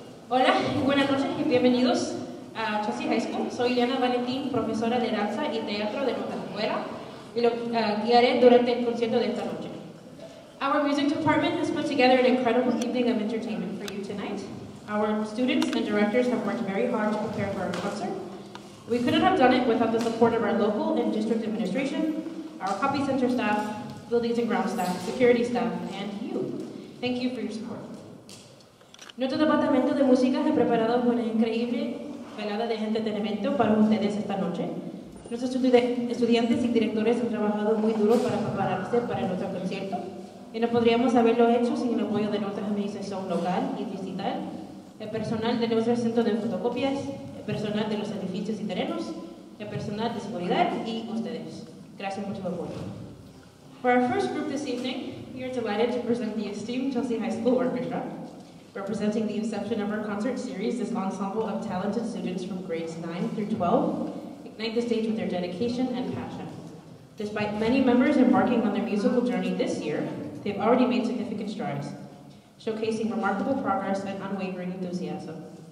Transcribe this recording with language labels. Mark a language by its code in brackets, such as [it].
[es] Hola, buenas noches y bienvenidos a CHS High School. Soy Liana Valentín, profesora de danza y teatro de nuestra escuela, y lo guiaré durante el concierto de esta noche. [en] Our music department has put together an incredible evening of entertainment for you tonight. Our students and directors have worked very hard to prepare for our concert. We couldn't have done it without the support of our local and district administration, our copy center staff, buildings and grounds staff, security staff, and you. Thank you for your support. [es] Nuestro departamento de música ha preparado una increíble velada de entretenimiento para ustedes esta noche. Nuestros estudiantes y directores han trabajado muy duro para prepararse para nuestro concierto, y no podríamos haberlo hecho sin el apoyo de nuestra administración local y digital, el personal de nuestro centro de fotocopias, el personal de los edificios y terrenos, el personal de seguridad y ustedes. Gracias mucho por apoyo. [en] For our first group this evening, we are delighted to present the esteemed CHS High School Orchestra. Representing the inception of our concert series, this ensemble of talented students from grades 9 through 12 ignite the stage with their dedication and passion. Despite many members embarking on their musical journey this year, they've already made significant strides, showcasing remarkable progress and unwavering enthusiasm.